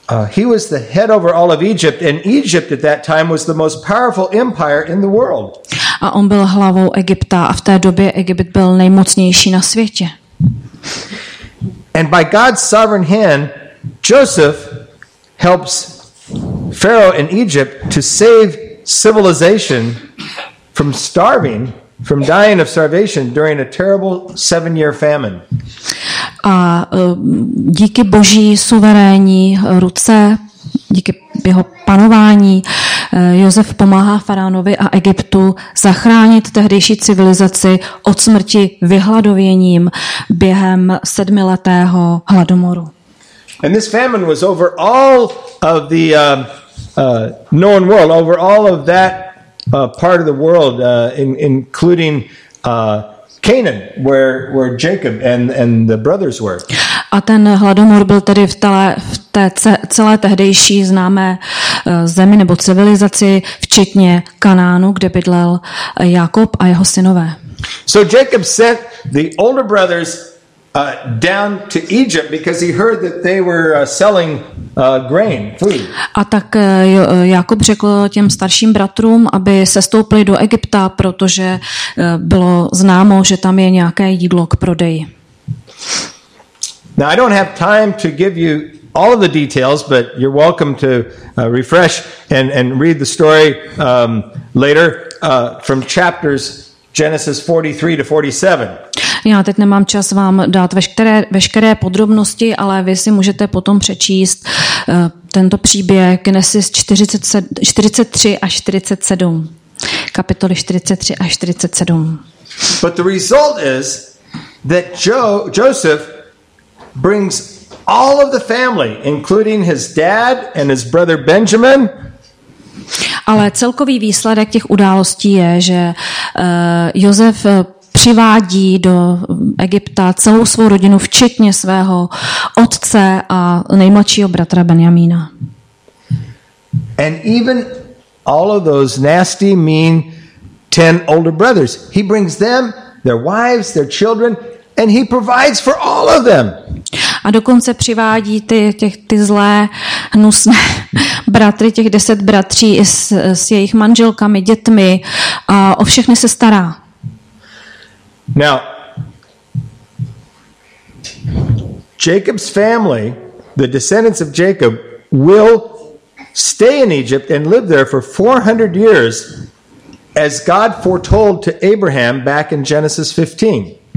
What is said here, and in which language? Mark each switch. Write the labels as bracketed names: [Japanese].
[English] He was the head over all of Egypt, and Egypt at that time was the most powerful empire in the world. [Czech] A on byl hlavou Egypta a v té době Egypt byl nejmocnější na světě. [English] And by God's sovereign hand, Joseph helps Pharaoh in Egypt to save civilization from starving, from dying of starvation during a terrible 7-year famine. [Czech] A díky boží suverénní ruce, díky jeho panování, Josef pomáhá faraonovi a Egyptu zachránit tehdejší civilizaci od smrti vyhladověním během 7letého hladomoru. [English] And this famine was over all of the known world, over all of that part of the world, including Canaan, where Jacob and the brothers were. [Czech] A ten hladomor byl tedy v té celé tehdejší známé zemi nebo civilizaci, včetně Kanánu, kde bydlel Jakob a jeho synové. [English] So Jacob sent the older brothers down to Egypt because he heard that they were selling grain, food. [Czech] A tak Jakub řekl těm starším bratrům, aby sestoupili do Egypta, protože bylo známo, že tam je nějaké jídlo k prodeji. [English] Now I don't have time to give you all of the details, but you're welcome to refresh and read the story later from chapters Genesis 43 to 47. [Czech] Já teď nemám čas vám dát veškeré podrobnosti, ale vy si můžete potom přečíst tento příběh Genesis 43 až 47. Kapitoly 43 až 47. [English] But the result is that Joseph brings all of the family, including his dad and his brother Benjamin. [Czech] Ale celkový výsledek těch událostí je, že Josef přivádí do Egypta celou svou rodinu, včetně svého otce a nejmladšího bratra Benjamína. [English] And even all of those nasty, mean 10 older brothers, he brings them, their wives, their children, and he provides for all of them. [Czech] A dokonce přivádí ty zlé, hnusné bratry, těch 10 bratří i s jejich manželkami, dětmi a o všechny se stará. [English] Now, Jacob's family, the descendants of Jacob, will stay in Egypt and live there for 400 years as God foretold to Abraham back in Genesis 15.